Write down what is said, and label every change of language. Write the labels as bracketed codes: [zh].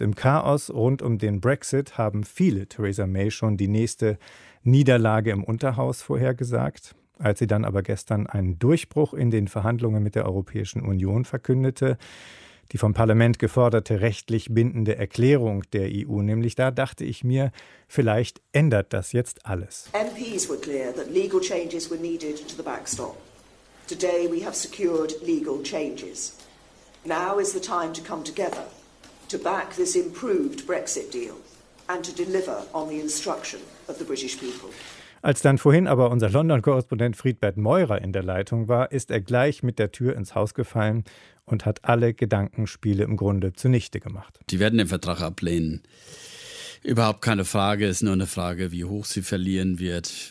[de] Im Chaos rund um den Brexit haben viele Theresa May schon die nächste Niederlage im Unterhaus vorhergesagt. Als sie dann aber gestern einen Durchbruch in den Verhandlungen mit der Europäischen Union verkündete, die vom Parlament geforderte rechtlich bindende Erklärung der EU, nämlich da dachte ich mir, vielleicht ändert das jetzt alles. [en] MPs were clear that legal changes were needed to the backstop. Today we have secured legal changes. Now is the time to come together, to back this improved Brexit deal and to deliver on the instruction of the British people. [de] Als dann vorhin aber unser London-Korrespondent Friedbert Meurer in der Leitung war, ist er gleich mit der Tür ins Haus gefallen und hat alle Gedankenspiele im Grunde zunichte gemacht. Die werden den Vertrag ablehnen. Überhaupt keine Frage, ist nur eine Frage, wie hoch sie verlieren wird.